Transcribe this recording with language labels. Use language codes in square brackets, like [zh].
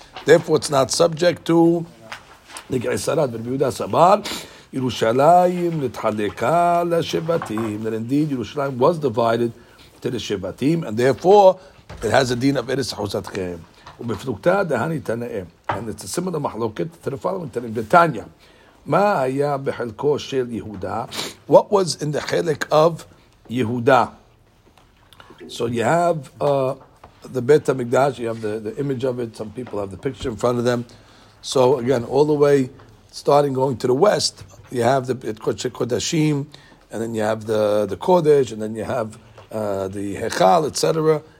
[en] Therefore, it's not subject to Nigai Sarat. Rabbi Yehuda Sabar, Yerushalayim Nitchalika L'Shevatim. That indeed Yerushalayim was divided to the Shevatim, and therefore it has a din of Eretz Ahuzatchem. [he] ובפלוקתה דהני תנאים. [en] And it's a similar מחלוקת to the following תנאים. [he] בתניה, מה היה בחלקו של יהודה? [en] What was in the חלק of יהודה? So you have the Beit HaMikdash, you have the image of it, some people have the picture in front of them. So again, all the way, starting going to the west, you have the Kodesh HaKodashim, and then you have the Kodesh, and then you have the Hechal, etc.